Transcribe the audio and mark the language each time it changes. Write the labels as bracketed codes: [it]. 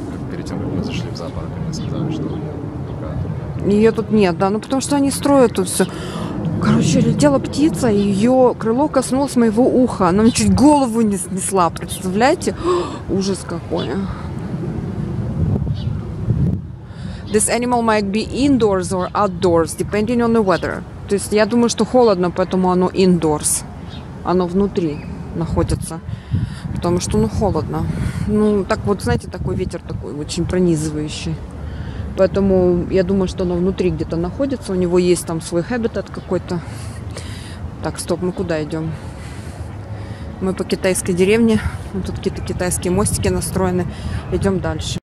[ru] Перед тем, как мы зашли в зоопарк, мы сказали, что ее пока... Ее тут нет, да, ну потому что они строят тут все. Короче, летела птица, и ее крыло коснулось моего уха. Она мне чуть голову не снесла, представляете? О, ужас какой. [en] This animal might be indoors or outdoors, depending on the weather. [ru] То есть я думаю, что холодно, поэтому оно [en] indoors. [ru] Оно внутри. находятся. Потому что, ну, холодно. Ну, так вот, знаете, такой ветер такой очень пронизывающий. Поэтому я думаю, что оно внутри где-то находится. У него есть там свой хабитат какой-то. Так, стоп, мы куда идем? Мы по китайской деревне. Тут какие-то китайские мостики настроены. Идем дальше.